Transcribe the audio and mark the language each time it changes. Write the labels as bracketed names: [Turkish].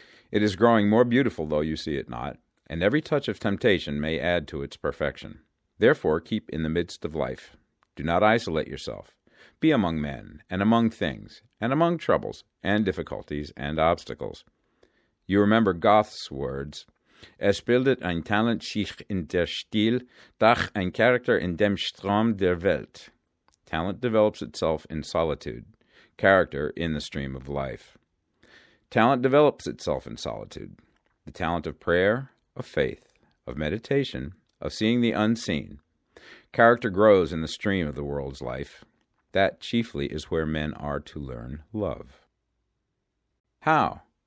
[English] It is growing more beautiful though you see it not, and every touch of temptation may add to its perfection. Therefore, keep in the midst of life. Do not isolate yourself. Be among men, and among things, and among troubles, and difficulties, and obstacles. You remember Goethe's words, [German] Es bildet ein Talent sich in der Stil, doch ein Charakter in dem Strom der Welt. [English] Talent develops itself in solitude, character in the stream of life. Talent develops itself in solitude, the talent of prayer, of faith, of meditation, of seeing the unseen. Character grows in the stream of the world's life. That chiefly is where men are to learn love. How?